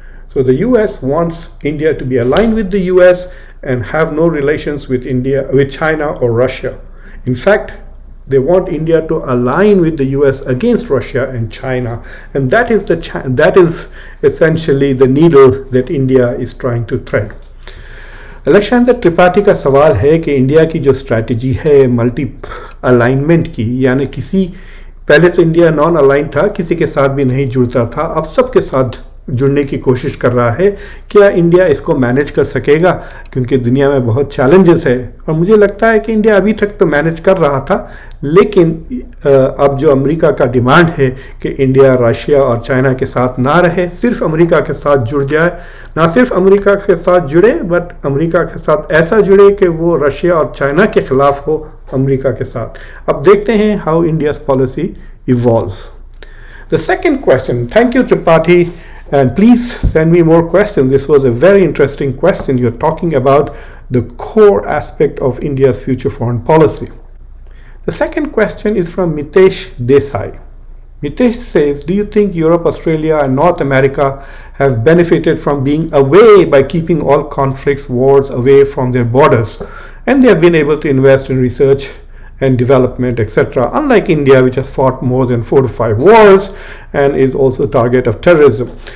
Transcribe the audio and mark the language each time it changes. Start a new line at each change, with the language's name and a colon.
English: So the US wants India to be aligned with the US and have no relations with India, with China or Russia. In fact, they want India to align with the US against Russia and China. And that is the that is essentially the needle that India is trying to thread.
Urdu: الیکشاندر Tripathi کا سوال ہے کہ India کی جو strategy ہے multi alignment کی, یعنی کسی, پہلے تو انڈیا نان الائن تھا, کسی کے ساتھ بھی نہیں جڑتا تھا, اب سب کے ساتھ جڑنے کی کوشش کر رہا ہے, کیا انڈیا اس کو مینیج کر سکے گا, کیونکہ دنیا میں بہت چیلنجز ہے. اور مجھے لگتا ہے کہ انڈیا ابھی تک تو مینیج کر رہا تھا, لیکن اب جو امریکہ کا ڈیمانڈ ہے کہ انڈیا رشیا اور چائنا کے ساتھ نہ رہے, صرف امریکہ کے ساتھ جڑ جائے, نہ صرف امریکہ کے ساتھ جڑے بٹ امریکہ کے ساتھ ایسا جڑے کہ وہ رشیا اور چائنا کے خلاف ہو امریکہ کے ساتھ. اب دیکھتے ہیں
English: How India's policy evolves. The second question, thank you Tripathi, and please send me more questions. This was a very interesting question. You're talking about the core aspect of India's future foreign policy. The second question is from Mitesh Desai. Mitesh says, do you think Europe, Australia and North America have benefited from being away by keeping all conflicts, wars away from their borders, and they have been able to invest in research and development, etc., unlike India, which has fought more than 4 to 5 wars and is also a target of terrorism?